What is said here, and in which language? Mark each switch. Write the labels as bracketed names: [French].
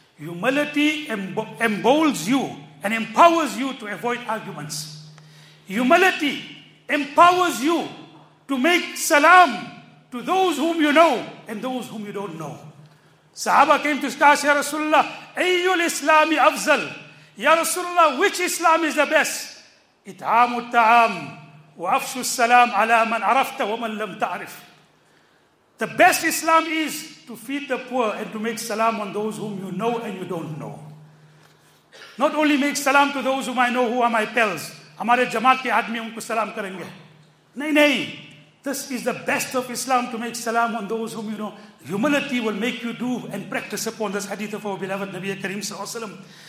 [English] Humility emboldens you and empowers you to avoid arguments. Humility empowers you to make salam to those whom you know and those whom you don't know. Sahaba came to ask, Ya Rasulullah, [Arabic] Ayyul Islami Afzal. [English] Ya Rasulullah, which Islam is the best? [Arabic] إطعام الطعام وأفش السلام على من عرفت ومن لم تعرف. [English] The best Islam is to feed the poor and to make salam on those whom you know and you don't know. Not only make salam to those whom I know who are my pals. [Hindi] Hamare jamaat ke aadmi unko salam karenge. Nahi, nahi. [English] This is the best of Islam, to make salam on those whom you know. Humility will make you do and practice upon this hadith of our beloved Nabi Kareem sallallahu alaihi wasallam.